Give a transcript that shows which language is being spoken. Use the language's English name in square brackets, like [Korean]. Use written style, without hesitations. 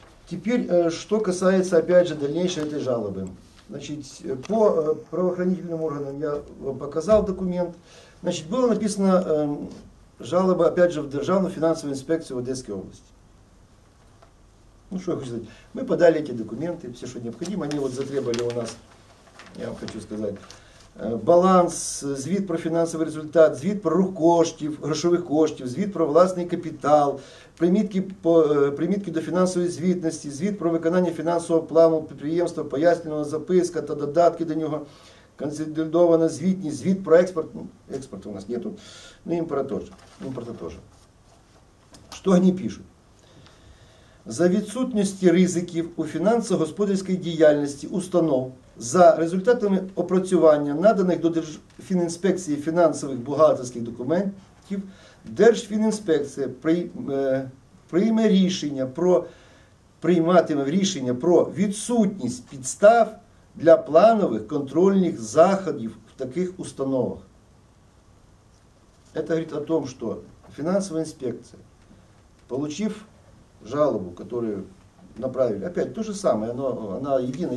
[Russian] Теперь, что касается, опять же, дальнейшей этой жалобы. Значит, по правоохранительным органам я вам показал документ. Значит, было написано жалоба, опять же, в Державную финансовую инспекцию в Одесской области. Ну, что я хочу сказать. Мы подали эти документы, все, что необходимо. Они вот затребовали у нас, я вам хочу сказать, [Ukrainian] баланс, звит про финансовый результат, звит про рух коштів, грошових коштів, звит про власний капитал, примітки до фінансової звітності, звіт про виконання фінансового плану підприємства, пояснювальна записка та додатки до нього, консолідована звітність, звіт про експорт. Експорту у нас нету, ну, імпорта теж. Що вони пишуть? За відсутності ризиків у фінансово-господарській діяльності установ, за результатами опрацювання наданих до Держфінінспекції фінансових бухгалтерських документів, Держфінінспекція прийме рішення про прийматиме рішення про відсутність підстав для планових контрольних заходів в таких установах. [Russian] Это говорит о том, что финансовая инспекция, получив жалобу, которую направили, опять то же самое, но она единая.